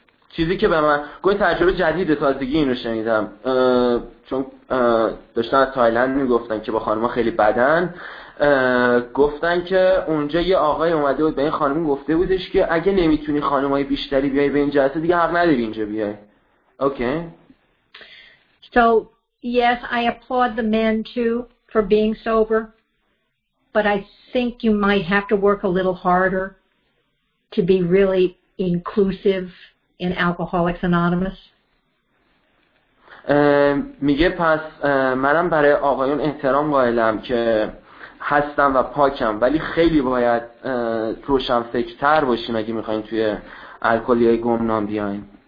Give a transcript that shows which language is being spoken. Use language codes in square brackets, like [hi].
[fa] چیزی که به من گوی تجربه جدید تازگی اینو شنیدم، چون داشتن از تایلند میگفتن که با خانم ها خیلی بدن، گفتن که اونجا یه آقای اومده بود به این خانم گفته بودش که اگه نمیتونی خانم های بیشتری بیای به این جلسه، دیگه حق نداری اینجا بیای. [en] Okay. So yes, I applaud the men too for being sober, but I think you might have to work a little harder to be really inclusive in Alcoholics Anonymous. [fa] میگه پس منم برای آقایون احترام قائلم که هستم و پاکم، ولی خیلی باید روشن فکرتر باشین اگه میخواین توی الکلی های گمنام بیاین.